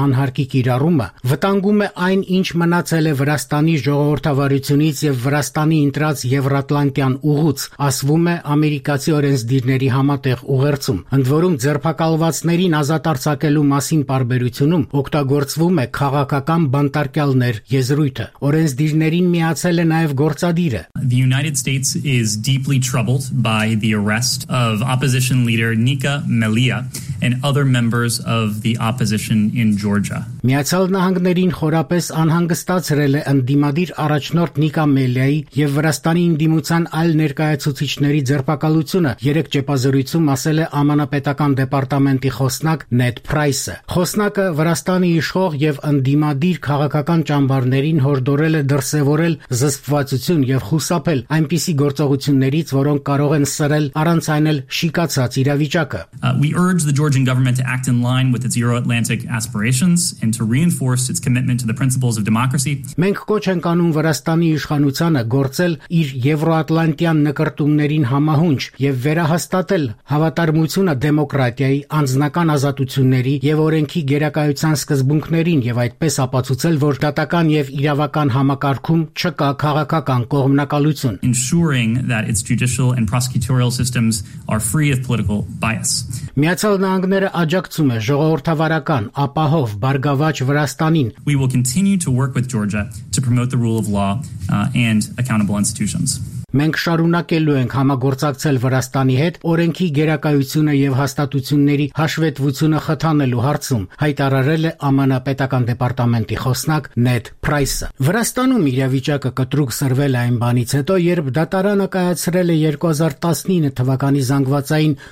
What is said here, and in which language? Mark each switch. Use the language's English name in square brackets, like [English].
[Armenian] անհարկի կիրառումը վտանգում է այն, ինչ մնացել է Վրաստանի ժողովրդավարությունից եւ Վրաստանի ընտրած Եվրատլանտյան ուղուց, ասվում է ամերիկացի օրենսդիրների համատեղ ուղերձում։ Ընդ որում ձերբակալվածներին ազատ արձակելու մասին պարբերությունում օգտագործվում է քաղաքական բանտարկյալներ եզրույթը։ Օրենսդիրներին միացել է նաեւ գործադիրը։ [English] The United States is deeply troubled by the arrest of opposition leader Nika Melia and other members of the opposition in Georgia. [Armenian] Միացյալ Նահանգներին խորապես անհանգստացրել է ընդդիմադիր առաջնորդ Նիկա Մելիայի եւ Վրաստանի ինդիմության այլ ներկայացուցիչների ձերբակալությունը, երեք ճեպազրույցում ասել է ԱՄՆ-ական դեպարտամենտի խոսնակ Նետ Փրայսը։ Խոսնակը Վրաստանի իշխող եւ ընդդիմադիր քաղաքական ճամբարներին հորդորել է դրսեւորել զսպվածություն եւ խուսափել այնպիսի գործողություններից, որոնք կարող են սրել առանց այնել շիկացած իրավիճակը։ [English] The Georgian government to act in line with its Euro-Atlantic aspirations and to reinforce its commitment to the principles of democracy. [Armenian] Մենք կոչ ենք անում Վրաստանի իշխանությանը գործել իր Եվրոատլանտյան նկարտումներին համահունչ եւ վերահաստատել հավատարմությունը դեմոկրատիայի, անձնական ազատությունների եւ օրենքի գերակայության սկզբունքներին եւ այդպես ապացուցել, որ դատական եւ իրավական համակարգում չկա քաղաքական կողմնակալություն. [English] Ensuring that its judicial and prosecutorial systems are free of political bias. [Armenian] Միացյալ Նահանգները աջակցում է ժողովրդավարական, ապահով, բարգավաճ Վրաստանին։ [English] We will continue to work with Georgia to promote the rule of law and accountable institutions. [Armenian] Մենք շարունակելու ենք համագործակցել Վրաստանի հետ օրենքի գերակայությունը եւ հաստատությունների հաշվետվությունը խթանելու հարցում, հայտարարել է ԱՄՆ-ական դեպարտամենտի խոսնակ Նետ Փրայսը։ Վրաստանում իրավիճակը կտրուկ սրվել այն բանից հետո, երբ դատարանը կայացրել է 2019 թվականի զանգվածային